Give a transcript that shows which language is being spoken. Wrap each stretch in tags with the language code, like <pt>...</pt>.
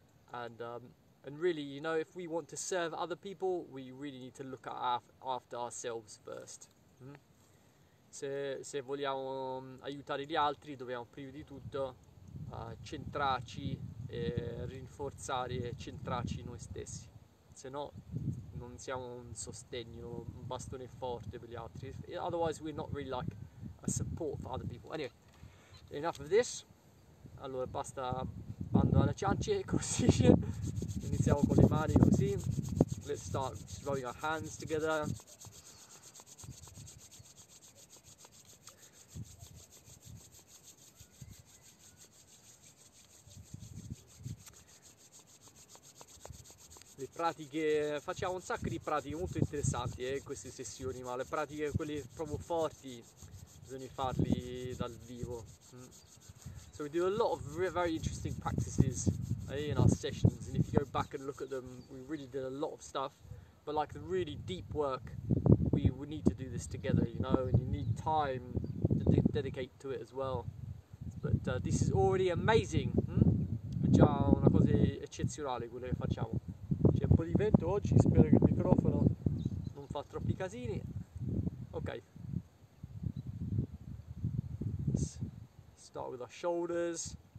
<en>And And really, you know, if we want to serve other people, we really need to look after ourselves first.</en> <it>Se vogliamo aiutare gli altri, dobbiamo prima di tutto centrarci e rinforzare e centrarci noi stessi. Se no, non siamo un sostegno, un bastone forte per gli altri.</it> <en>Otherwise, we're not really like a support for other people. Anyway, enough of this.</en> <it>Allora, basta bando alle ciance e così. Iniziamo con le mani così.</it> <en>Let's start rubbing our hands together.</en> <it>Le pratiche, facciamo un sacco di pratiche molto interessanti in queste sessioni, ma le pratiche, quelle proprio forti, bisogna farli dal vivo.</it> <en>So we do a lot of very interesting practices in our sessions, and if you go back and look at them, we really did a lot of stuff, but like the really deep work, we need to do this together, you know, and you need time to dedicate to it as well. But this is already amazing.</en> <it>È già una cosa eccezionale quello che facciamo. C'è un po' di vento oggi, spero che il microfono non fa troppi casini. Okay.</it> <en>Start with our shoulders.</en>